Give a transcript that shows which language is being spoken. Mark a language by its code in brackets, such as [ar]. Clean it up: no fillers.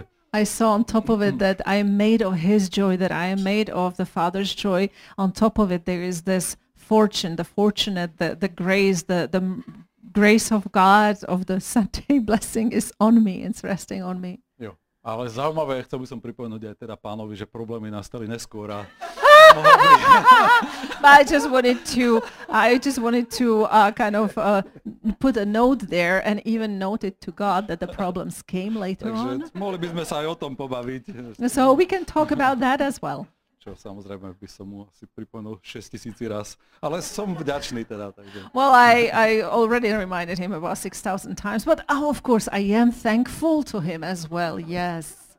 [en] I saw on top of it that I am made of his joy, that I am made of the Father's joy. On top of it there is this fortune, the fortunate, the grace, the grace of God, of the Sunday blessing is on me, it's resting on me. [sk] Jo, ale zaujímavé, chcel by som pripomenúť aj teda Pánovi, že problémy nastali neskôr a... [en] But I just wanted to put a note there and even note it to God that the problems came later [sk] takže [en] on. [sk] Takže mohli by sme sa aj o tom pobaviť. [en] So we can talk about that as well. [sk] Čo samozrejme by som mu asi pripomenul 6000 raz, ale som vďačný teda. Takže. [en] Well, I already reminded him about 6000 times, but oh, of course I am thankful to him as well, yes.